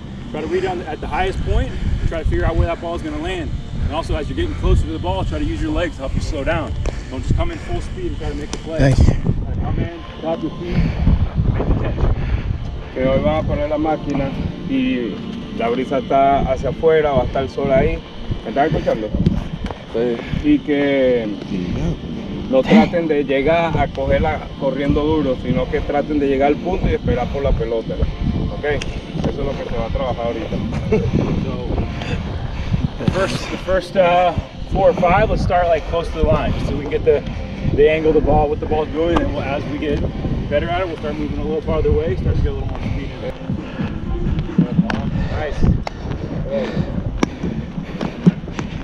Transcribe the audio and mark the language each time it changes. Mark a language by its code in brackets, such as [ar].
[en] Try to read on at the highest point. Try to figure out where that ball is going to land. And also, as you're getting closer to the ball, try to use your legs to help you slow down. Don't just come in full speed and try to make the play. Thank you. Try to come in, drop your feet, make the catch. [es] Que hoy va a poner la máquina y la brisa está hacia afuera, va a estar sol ahí. ¿Me estás escuchando? Sí. Y que... No traten de llegar a cogerla corriendo duro, sino que traten de llegar al punto y esperar por la pelota. Ok? Eso es lo que se va a trabajar ahorita. [en] So, the first four or five, let's start like close to the line, just so we can get the angle of the ball, what the ball's doing, and as we get better at it, we'll start moving a little farther away, start to get a little more speed in there. Nice. Okay.